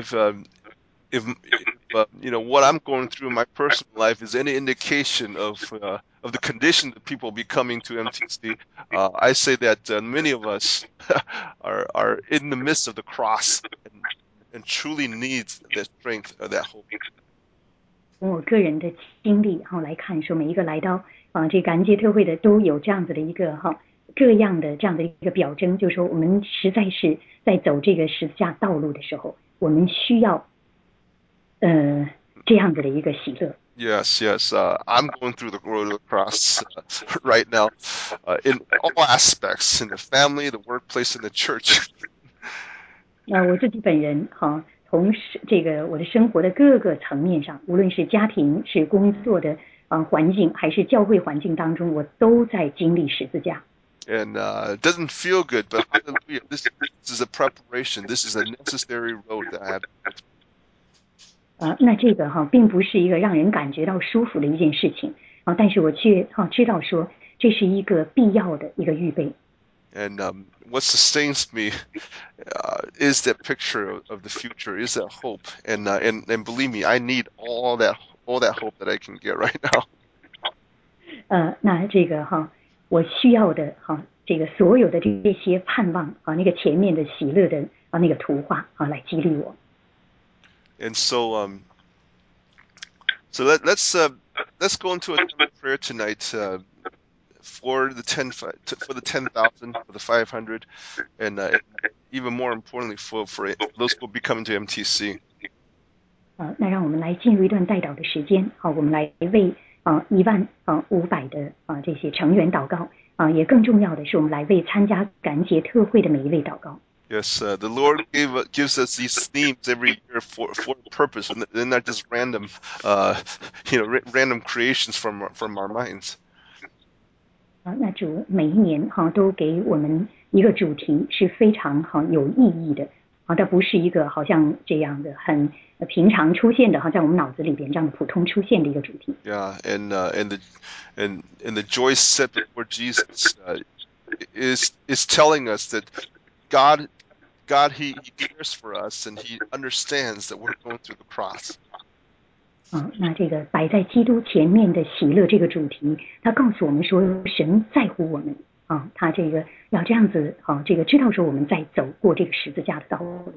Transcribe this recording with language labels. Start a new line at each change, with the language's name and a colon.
English: Yes, if what I'm going through in my personal life is any indication of the condition that people will be coming to MTC, I say that many of us are in the midst of the cross and truly need that strength or that hope.
Chinese: 从我个人的经历来看，说每一个来到这个感恩节特会的都有这样子的一个各样的这样的一个表征，就是说我们实在是在走这个十字架道路的时候，我们需要这样子的一个喜乐。
English: Yes. I'm going through the road of the cross right now, in all aspects, in the family, the workplace, in the church.
Chinese: 我自己本人从这个我的生活的各个层面上，无论是家庭、是工作的环境，还是教会环境当中，我都在经历十字架。
English: And doesn't feel good, but hallelujah, this is a preparation. This is a necessary road that I have.
Chinese: 那这个并不是一个让人感觉到舒服的一件事情但是我却知道说这是一个必要的一个预备。
English: And what sustains me is that picture of the future, is that hope. And believe me, I need all that hope that I can get right now.
Chinese: 那这个我需要的这个所有的这些盼望那个前面的喜乐的那个图画来激励我。
English: And so let's go into a time of prayer tonight, for the 10,000, for the 500, and even more importantly, for those who will be coming to MTC.
Chinese: 那让我们来进入一段代祷的时间。好，我们来为一万五百的这些成员祷告。也更重要的是，我们来为参加感恩节特会的每一位祷告。
English: Yes, the Lord gives us these themes every year for a purpose, and they're not just random, random creations from our minds.
Chinese: 那主每一年都给我们一个主题是非常有意义的。它不是一个好像这样的很平常出现的，好像我们脑子里边这样的普通出现的一个主题。
English: Yeah, and the joy set before Jesus is telling us that God he cares for us and he understands that we're going through the cross.
Chinese: 那这个摆在基督前面的喜乐这个主题，它告诉我们说神在乎我们。他这个要这样子这个知道说我们在走过这个十字架的道路。